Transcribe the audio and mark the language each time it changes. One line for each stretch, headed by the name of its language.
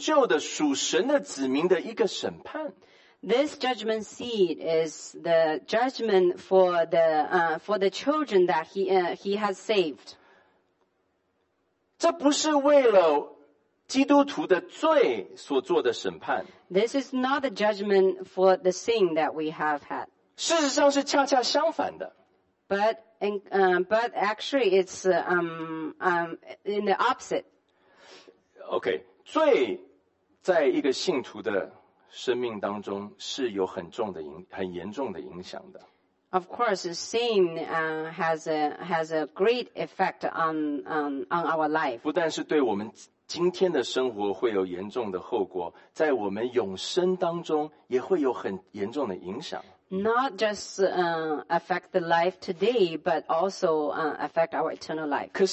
Chinese: 这个是神对于他的儿女，你记得，是主耶稣基督已经拯救的属神的子民的一个审判。
English: This judgment seat is the judgment for the children that he has saved.
Chinese: 这不是为了 基督徒的罪所做的审判。
English: This is not the judgment for the sin that we have had.
Chinese: 事实上是恰恰相反的。
English: But but actually it's in the opposite.
Chinese: Okay, 罪在一个信徒的生命当中是有很重的影，很严重的影响的。
English: Of course, sin has a great effect on our life.
Chinese: 不但是对我们 今天的生活会有严重的后果，在我们永生当中也会有很严重的影响。
English: Not just affect the life today, but also affect our eternal life.